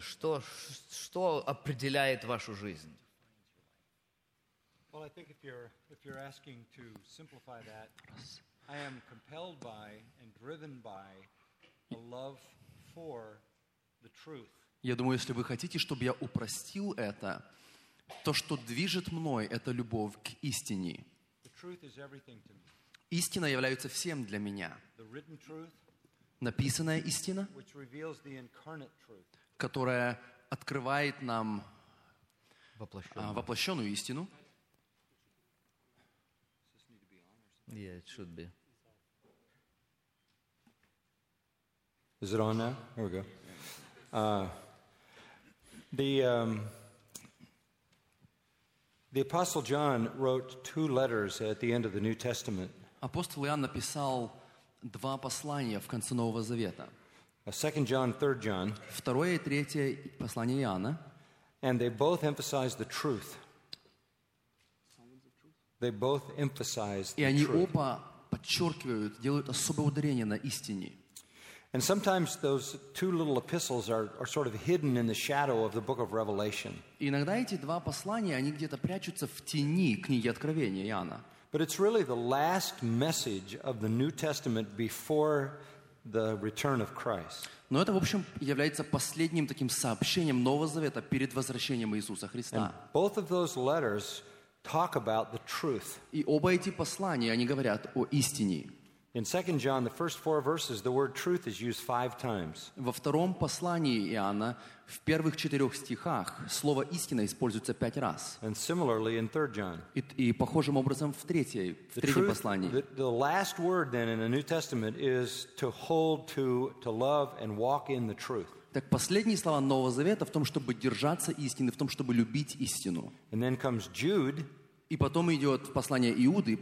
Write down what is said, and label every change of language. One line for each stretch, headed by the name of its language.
Russian: Что определяет вашу жизнь?
English: Well, I think if you're asking to simplify that, I am compelled by and driven by a love for the truth.
Russian: Я думаю, если вы хотите, чтобы я упростил это, то, что движет мной, это любовь к истине.
English: The truth is everything to me.
Russian: Истина является всем для меня.
English: The written truth,
Russian: написанная истина,
English: which reveals the incarnate truth,
Russian: которая открывает нам воплощенную истину.
English: Yeah, it should be. Is it on now? Here we go. The Apostle John wrote two letters at the end of the New Testament. Апостол Иоанн написал два послания в конце Нового Завета. Second John, Third John. Второе и третье послание Иоанна. And they both emphasize the truth. They both emphasize the truth.
Russian: И они оба подчеркивают, делают особое ударение на истине.
English: And sometimes those two little epistles are sort of hidden in the shadow of the book of Revelation.
Russian: Иногда эти два послания, они где-то прячутся в тени книги Откровения Иоанна.
English: But it's really the last message of the New Testament before the return of Christ.
Russian: Но это, в общем, является последним таким сообщением Нового Завета перед возвращением Иисуса Христа.
English: And both of those letters talk about the truth.
Russian: И оба эти послания, они говорят о истине.
English: In 2 John, the first four verses, the word truth is used 5 times.
Russian: Во втором послании Иоанна, в первых четырех стихах, слово истина используется 5 раз.
English: And similarly in 3 John.
Russian: И похожим образом в третьем послании.
English: The last word then in the New Testament is to hold to love and walk in the truth.
Russian: Так последние слова Нового Завета в том, чтобы держаться истины, в том, чтобы любить истину.
English: And then comes Jude.
Russian: И потом идет послание Иуды,